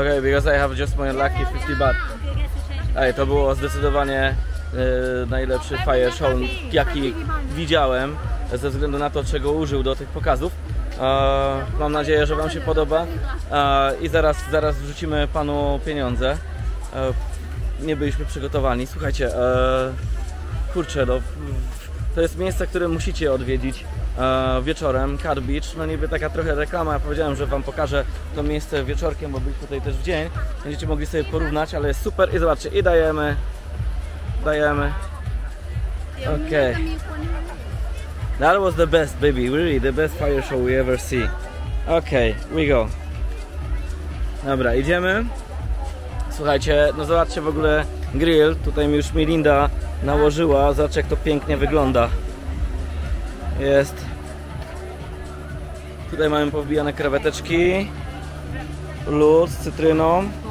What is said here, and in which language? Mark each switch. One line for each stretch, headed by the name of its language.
English: Okay, because I have just my lucky 50 baht.
Polish: Ej, to było zdecydowanie najlepszy fire show, jaki widziałem, ze względu na to, czego użył do tych pokazów. Mam nadzieję, że wam się podoba i zaraz wrzucimy panu pieniądze. Nie byliśmy przygotowani. Słuchajcie, kurczę, no, to jest miejsce, które musicie odwiedzić wieczorem, Cut Beach. No niby taka trochę reklama, ja powiedziałem, że wam pokażę to miejsce wieczorkiem, bo byliśmy tutaj też w dzień. Będziecie mogli sobie porównać, ale jest super i zobaczcie, i dajemy.
English: Okej. Okay. That was the best, baby. Really, the best fire show we ever see. Okay, we go.
Polish: Dobra, idziemy. Słuchajcie, no zobaczcie w ogóle grill. Tutaj mi już Melinda nałożyła. Zobaczcie, jak to pięknie wygląda. Jest. Tutaj mamy powbijane kreweteczki. Luz z cytryną.